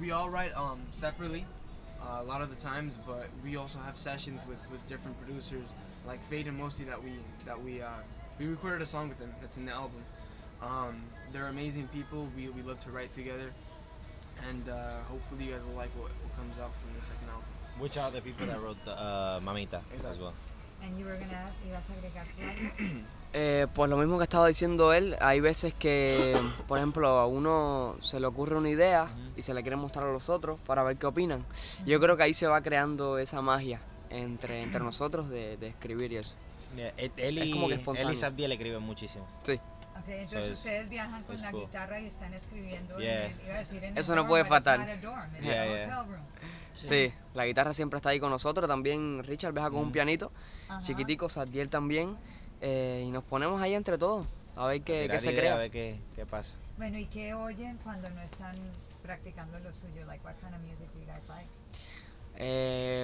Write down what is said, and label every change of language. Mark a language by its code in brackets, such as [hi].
[en] We all write separately a lot of the times, but we also have sessions with different producers, like Fade and Mosty, that we recorded a song with them that's in the album. They're amazing people. We love to write together, and hopefully you guys will like what comes out from the second album. Which are the people that wrote the Mamita as well? And you were gonna [es] ibas a agregar tu [en] album? [es] Pues lo mismo que estaba diciendo él, hay veces que, por ejemplo, a uno se le ocurre una idea y se la quiere mostrar a los otros para ver qué opinan. Yo creo que ahí se va creando esa magia entre nosotros de escribir y eso. Yeah, él y, es como que espontáneo. Él y Sabdiel escriben muchísimo. Sí. Ok, entonces so ustedes viajan con la guitarra y están escribiendo. [en] Yeah. [es] Eso no puede faltar. [en] Yeah. [es] Sí, la guitarra siempre está ahí con nosotros. También Richard viaja con un pianito, chiquitico, Sabdiel también. Y nos ponemos ahí entre todos a ver qué se crea, a ver qué pasa. Bueno, ¿y qué oyen cuando no están practicando lo suyo? [en] Like, what kind of music do you guys like?